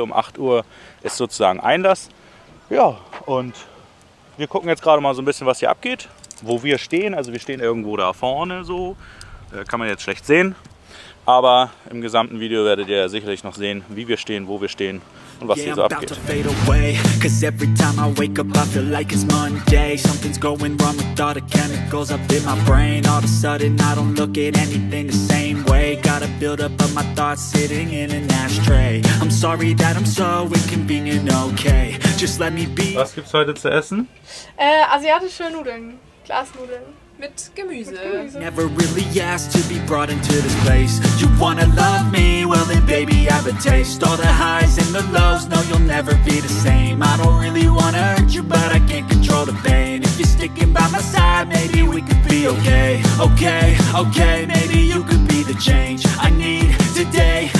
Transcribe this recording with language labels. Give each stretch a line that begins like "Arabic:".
German: Um 8 Uhr ist sozusagen Einlass. Ja, und wir gucken jetzt gerade mal so ein bisschen, was hier abgeht. Wo wir stehen. Also wir stehen irgendwo da vorne so. Kann man jetzt schlecht sehen. Aber im gesamten Video werdet ihr sicherlich noch sehen, wie wir stehen, wo wir stehen.
English: Was yeah, I'm about to fade away. Cause every time I wake up, I feel like it's Monday. Something's going wrong with all the chemicals up in my brain. All of a sudden, I don't look at anything the same way. Gotta build up of my thoughts sitting in an ashtray. I'm sorry that I'm so inconvenient, okay. Just let me be.
German: Was gibt's heute zu essen? Asiatische Nudeln, Glasnudeln. Mit Gemüse.
English: Never really asked to be brought into this place. You wanna love me? Well then baby I have a taste. All the highs and the lows, no you'll never be the same. I don't really wanna hurt you, but I can't control the pain. If you're sticking by my side, maybe we could be okay. Okay, okay, maybe you could be the change I need today.